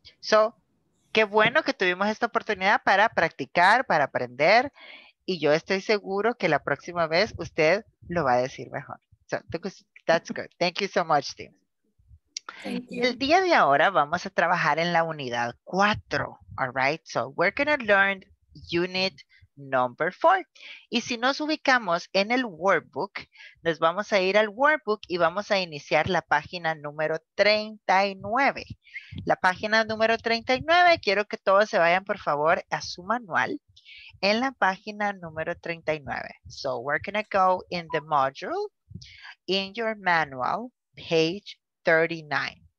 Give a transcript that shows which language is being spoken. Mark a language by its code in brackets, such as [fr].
[es] So, qué bueno que tuvimos esta oportunidad para practicar, para aprender. y yo estoy seguro que la próxima vez usted lo va a decir mejor. [en] So, that's good. Thank you so much, team. [es] El día de ahora vamos a trabajar en la unidad 4. [en] All right, so we're going to learn unit number 4. [es] Y si nos ubicamos en el workbook, nos vamos a ir al workbook y vamos a iniciar la página número 39. La página número 39, quiero que todos se vayan, por favor, a su manual en la página número 39. [en] So we're going to go in the module, in your manual, page 39.